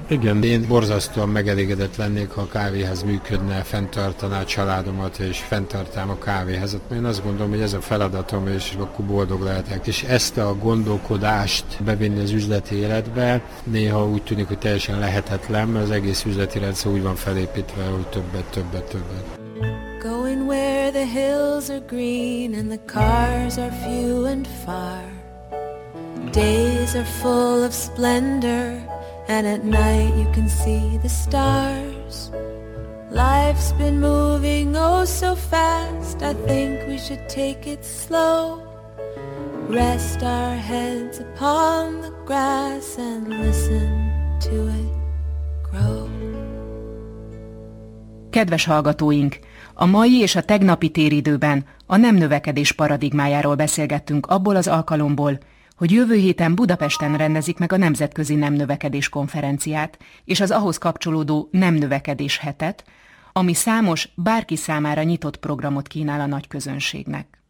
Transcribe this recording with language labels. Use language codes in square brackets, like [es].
[hu] Igen, én borzasztóan megelégedett lennék, ha a kávéház működne, fenntartaná a családomat, és fenntartám a kávéházat. Én azt gondolom, hogy ez a feladatom, és akkor boldog lehetek. És ezt a gondolkodást bevinni az üzleti életbe, néha úgy tűnik, hogy teljesen lehetetlen, mert az egész üzleti rendszer úgy van felépítve, hogy többet, többet, többet. [en] Going where the hills are green and the cars are few and far. Days are full of splendor and at night you can see the stars. Life's been moving oh so fast, I think we should take it slow. Rest our heads upon the grass and listen to it grow. [hu] Kedves hallgatóink, a mai és a tegnapi téridőben a nem növekedés paradigmájáról beszélgettünk abból az alkalomból, hogy jövő héten Budapesten rendezik meg a Nemzetközi Nem Növekedés Konferenciát és az ahhoz kapcsolódó Nem Növekedés Hetet, ami számos, bárki számára nyitott programot kínál a nagy közönségnek.